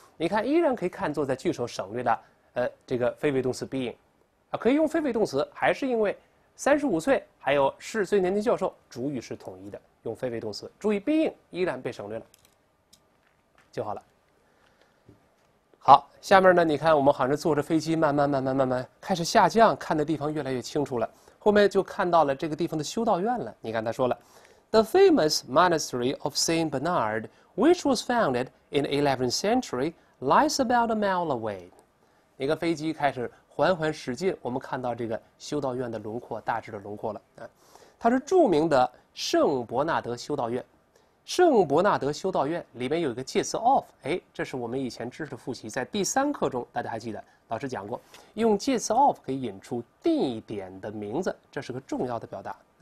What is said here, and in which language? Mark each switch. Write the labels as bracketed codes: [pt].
[zh] 你看，依然可以看作在句首省略的，这个非谓动词 being， 啊，可以用非谓动词，还是因为35岁，还有是最年轻教授，主语是统一的，用非谓动词。注意 being 依然被省略了，就好了。好，下面呢，你看我们好像坐着飞机，慢慢开始下降，看的地方越来越清楚了。后面就看到了这个地方的修道院了。你看他说了。 [en] The famous monastery of Saint Bernard, which was founded in 11th century, lies about a mile away. [zh] 那个飞机开始缓缓驶近，我们看到这个修道院的轮廓，大致的轮廓了。它是著名的圣伯纳德修道院。圣伯纳德修道院里面有一个介词 of， 哎，这是我们以前知识复习在第三课中，大家还记得老师讲过，用介词 of 可以引出地点的名字，这是个重要的表达。